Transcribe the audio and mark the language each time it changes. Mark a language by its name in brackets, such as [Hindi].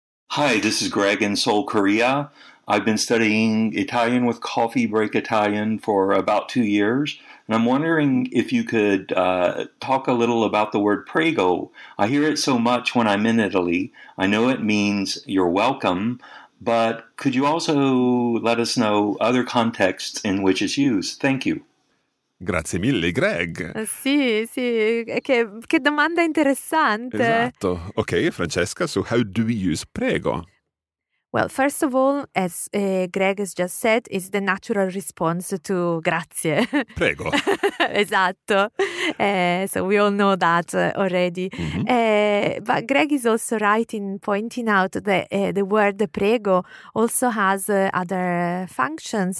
[English] Hi, this is Greg in Seoul, Korea. I've been studying Italian with Coffee Break Italian for about 2 years, and I'm wondering if you could talk a little about the word prego. I hear it so much when I'm in Italy. I know it means you're welcome, but could you also let us know other contexts in which it's used? Thank you. [Italian] Grazie mille, Greg. Sì, sì, che domanda interessante. Esatto. [English] Okay, Francesca, so how do we use prego? Well, first of all, as Greg has just said, is the natural response to grazie. [Italian] Prego. Esatto. [English] So we all know that already. Mm-hmm. But Greg is also right in pointing out that the word prego also has other functions.